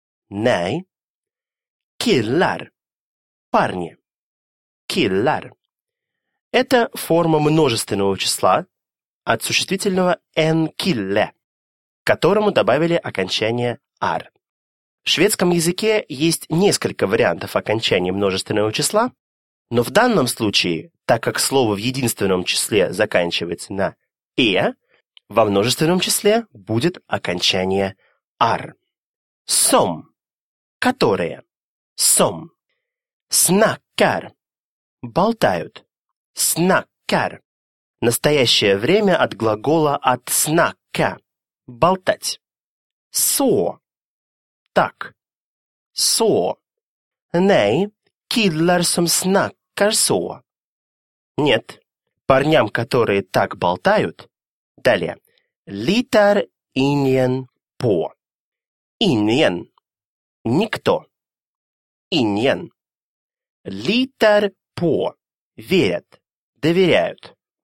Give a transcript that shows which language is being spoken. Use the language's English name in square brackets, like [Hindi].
[Swedish] «Nej» – «killar» – [Russian] «парни». «Killar» – это форма множественного числа, от существительного «en kille», к которому добавили окончание «ar». В шведском языке есть несколько вариантов окончания множественного числа, но в данном случае, так как слово в единственном числе заканчивается на «e», во множественном числе будет окончание «ar». «Som» – «которые». [Swedish] «Som» – «snackar» – [Russian] «болтают». «Snackar» – настоящее время от глагола от snacka – болтать. [Swedish] Со. So. [Russian] Так. [Swedish] Со. So. Nej, killar som snackar så. So. [Russian] Нет, парням, которые так болтают. Далее. [Swedish] Litar ingen på. Ingen. [Russian] Никто. [Swedish] Ingen. Litar på. [Russian] Верят. Доверяют.